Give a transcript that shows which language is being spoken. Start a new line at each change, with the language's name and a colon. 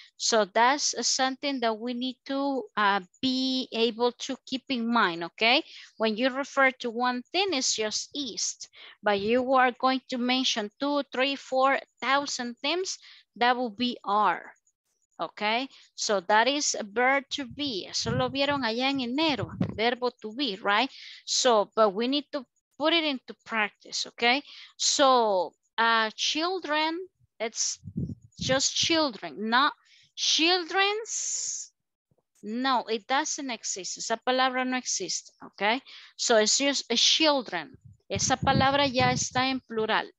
English: So that's something that we need to be able to keep in mind, okay? When you refer to one thing, it's just east. But you are going to mention 2,000, 3,000, 4,000 things, that will be are, okay? So that is a verb to be.
Spanish: Eso lo vieron allá en enero, verbo
English: to be, right? So, but we need to put it into practice, okay? So, children, it's just children, not children's. No, it doesn't exist.
Spanish: Esa palabra no existe,
English: okay? So it's just a children.
Spanish: Esa palabra ya está en plural.